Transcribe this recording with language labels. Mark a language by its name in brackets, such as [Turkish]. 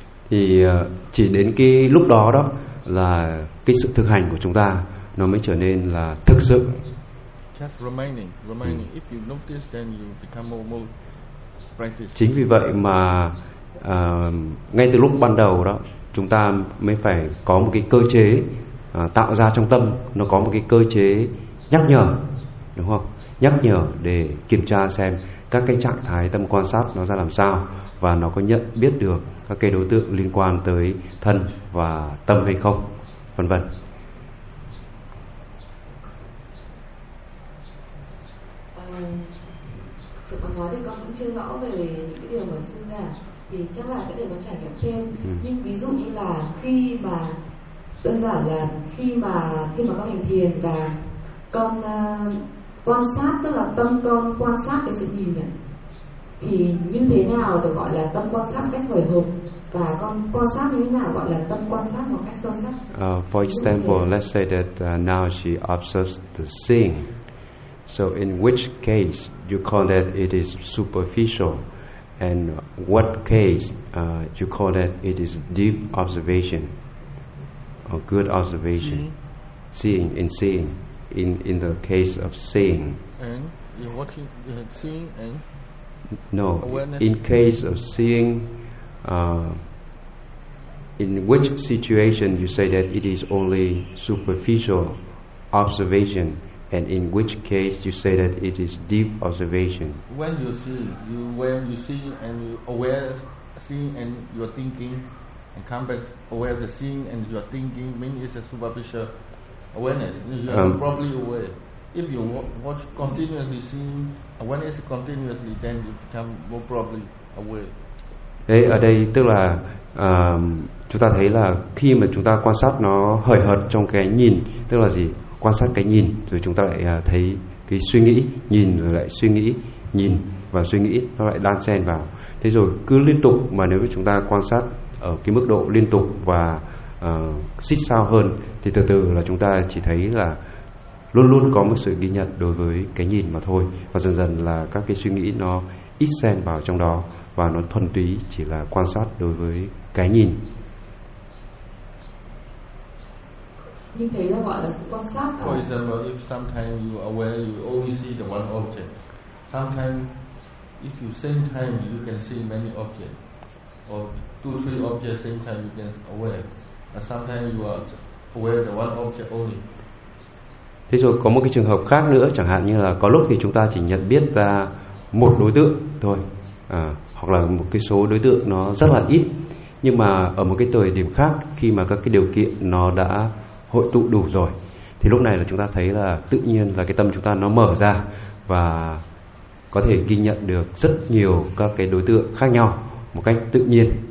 [Vietnamese] Thì chỉ đến cái lúc đó đó là cái sự thực hành của chúng ta nó mới trở nên là thực sự. [English] Just remaining. If you notice, then you become more practice. [Vietnamese] Chính vì vậy mà ngay từ lúc ban đầu đó, chúng ta mới phải có một cái cơ chế tạo ra trong tâm, nó có một cái cơ chế nhắc nhở, đúng không? Nhắc nhở để kiểm tra xem các cái trạng thái tâm quan sát nó ra làm sao, và nó có nhận biết được các cái đối tượng liên quan tới thân và tâm hay không, vân vân. Thưa Sự còn nói thì con cũng chưa rõ về những cái điều mà sư ra, thì chắc là sẽ để con trải nghiệm thêm. Nhưng ví dụ như là khi mà đơn giản là khi mà con hành thiền và con quan sát, tức là tâm con quan sát cái sự nhìn này, thì như thế nào được gọi là tâm quan sát cách hồi hộp, và con quan sát như thế nào gọi là tâm quan sát một cách sâu sắc? [English] For example, let's say that now she observes the scene. So in which case you call that it is superficial, and what case you call that it is deep observation or good observation, seeing in seeing, in the case of seeing. And you're watching, you had seen and no awareness. In case of seeing, in which situation you say that it is only superficial observation, and in which case you say that it is deep observation? When you see, when you see and you aware seeing and you are thinking, and come back aware of the seeing and you are thinking, means it's a superficial awareness. You are probably aware. If you watch continuously seeing, awareness continuously, then you become more probably aware. [Vietnamese] Thế ở đây tức là chúng ta thấy là khi mà chúng ta quan sát nó hời hợt trong cái nhìn, tức là gì? Quan sát cái nhìn, rồi chúng ta lại thấy cái suy nghĩ, nhìn rồi lại suy nghĩ, nhìn và suy nghĩ, nó lại đan xen vào. Thế rồi cứ liên tục, mà nếu chúng ta quan sát ở cái mức độ liên tục và xích sao hơn, thì từ từ là chúng ta chỉ thấy là luôn luôn có một sự ghi nhận đối với cái nhìn mà thôi, và dần dần là các cái suy nghĩ nó ít xen vào trong đó, và nó thuần túy chỉ là quan sát đối với cái nhìn. Như thế là gọi là sự quan sát. [English] For example, if sometimes you aware, you only see the one object. Sometimes, if you same time, you can see many objects. Or two, three objects same time, you can aware. And sometimes you are aware the one object only. [Vietnamese] Thế rồi có một cái trường hợp khác nữa, chẳng hạn như là có lúc thì chúng ta chỉ nhận biết ra một đối tượng thôi, hoặc là một cái số đối tượng nó rất là ít. Nhưng mà ở một cái thời điểm khác, khi mà các cái điều kiện nó đã hội tụ đủ rồi, thì lúc này là chúng ta thấy là tự nhiên là cái tâm chúng ta nó mở ra và có thể ghi nhận được rất nhiều các cái đối tượng khác nhau một cách tự nhiên.